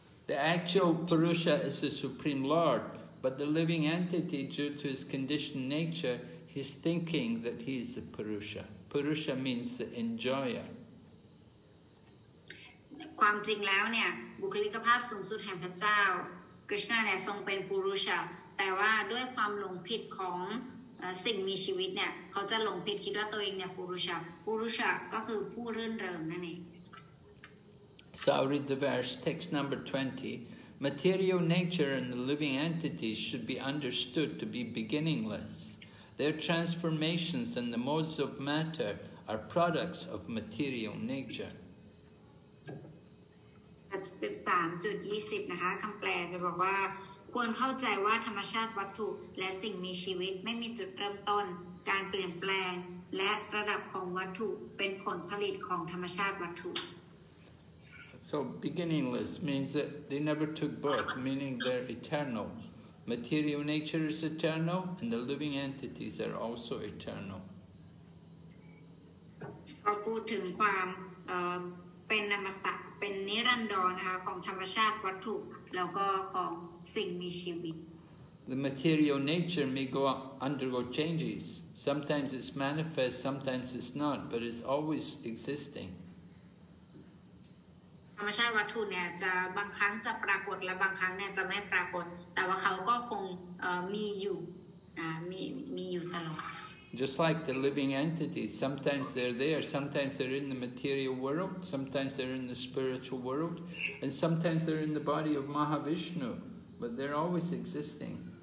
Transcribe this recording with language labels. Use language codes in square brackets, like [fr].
[en] The actual Purusha is the Supreme Lord, but the living entity, due to his conditioned nature, he's thinking that he is the Purusha. Purusha means the enjoyer. [th] ความจริงแล้วเนี่ยบุคลิกภาพสูงสุดแห่งพระเจ้าคริสต์เนี่ยทรงเป็นปุรุชาแต่ว่าด้วยความหลงผิดของสิ่งมีชีวิตเนี่ยเขาจะหลงผิดคิดว่าตัวเองเนี่ยปุรุชาปุรุชาก็คือผู้รื่นเริงนั่นเอง [en] So I'll read the verse, text number 20. Material nature and the living entities should be understood to be beginningless. Their transformations and the modes of matter are products of material nature. [th] 13.20 นะคะคำแปลจะบอกว่าควรเข้าใจว่าธรรมชาติวัตถุและสิ่งมีชีวิตไม่มีจุดเริ่มต้นการเปลี่ยนแปลงและระดับของวัตถุเป็นผลผลิตของธรรมชาติวัตถุ [en] So So beginningless means that they never took birth, meaning they're eternal. Material nature is eternal, and the living entities are also eternal. [th] ก็พูดถึงความเป็นอมตะเป็นนิรันดรนะคะของธรรมชาติวัตถุแล้วก็ของสิ่งมีชีวิต [en] The material nature may go undergo changes. Sometimes it's manifest, sometimes it's not, but it's always existing. [th] ธรรมชาติวัตถุเนี่ยจะบางครั้งจะปรากฏและบางครั้งเนี่ยจะไม่ปรากฏแต่ว่าเขาก็คงมีอยู่มีอยู่ตลอด [en] Just like the living entities, sometimes they're there, sometimes they're in the material world, sometimes they're in the spiritual world, and sometimes they're in the body of Mahavishnu, but they're always existing.